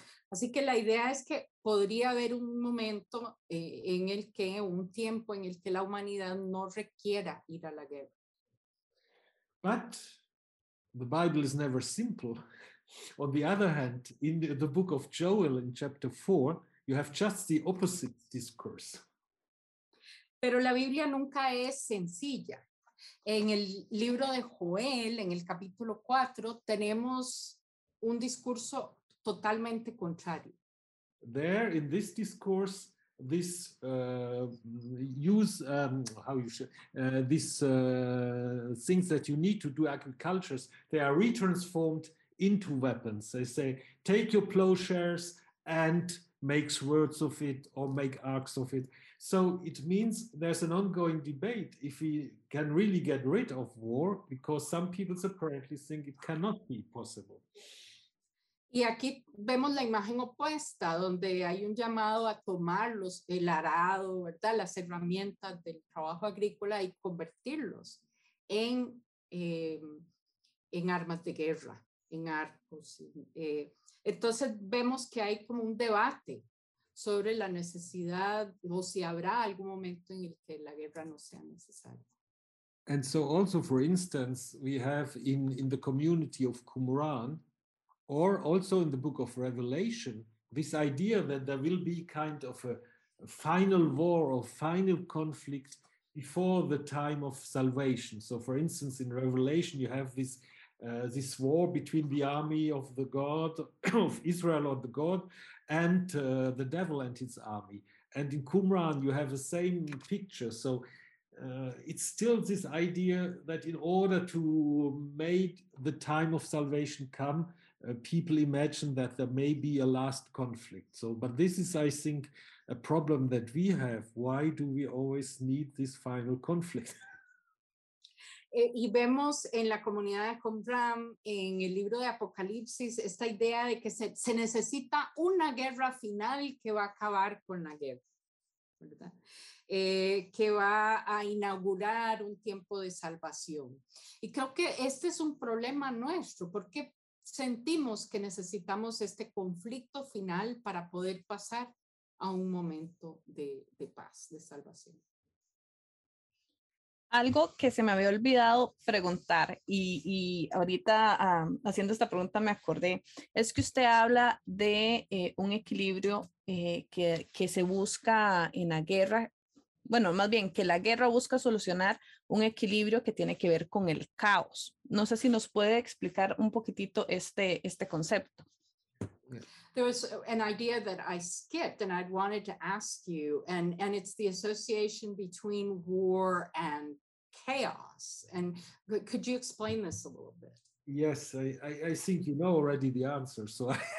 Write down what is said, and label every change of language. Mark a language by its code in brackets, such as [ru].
[es] Así que la idea es que podría haber un momento en el que, un tiempo en el que la humanidad no requiera ir a la guerra. [en] But the Bible is never simple. On the other hand, in the book of Joel in chapter 4, you have just the opposite discourse. [es] Pero la Biblia nunca es sencilla. En el libro de Joel, en el capítulo 4, tenemos un discurso totalmente contrario. [en] There, in this discourse, this things that you need to do agricultures, they are retransformed into weapons. They say, take your plowshares and make swords of it or make arcs of it. So it means there's an ongoing debate if we can really get rid of war, because some people apparently think it cannot be possible. [es] Y aquí vemos la imagen opuesta, donde hay un llamado a tomar los, el arado, ¿verdad? Las herramientas del trabajo agrícola y convertirlos en armas de guerra, en arcos. Entonces vemos que hay como un debate sobre la necesidad o si habrá algún momento en el que la guerra no sea necesaria. [en] And so also, for instance, we have in the community of Qumran, or also in the book of Revelation, this idea that there will be kind of a final war or final conflict before the time of salvation. So for instance, in Revelation, you have this this war between the army of the God of Israel or the God and the devil and his army. And in Qumran, you have the same picture. So it's still this idea that in order to make the time of salvation come, people imagine that there may be a last conflict. So, but this is, I think, a problem that we have. Why do we always need this final conflict? [es] Y vemos en la comunidad de Qumran, en el libro de Apocalipsis, esta idea de que se necesita una guerra final que va a acabar con la guerra, ¿verdad? Que va a inaugurar un tiempo de salvación. Y creo que este es un problema nuestro, porque sentimos que necesitamos este conflicto final para poder pasar a un momento de paz, de salvación. Algo que se me había olvidado preguntar y ahorita haciendo esta pregunta me acordé, es que usted habla de un equilibrio que se busca en la guerra, bueno, más bien que la guerra busca solucionar un equilibrio que tiene que ver con el caos. No sé si nos puede explicar un poquitito este concepto. [en] There was an idea that I skipped and I wanted to ask you, and it's the association between war and chaos. And could you explain this a little bit? Yes, I think you know already the answer. So,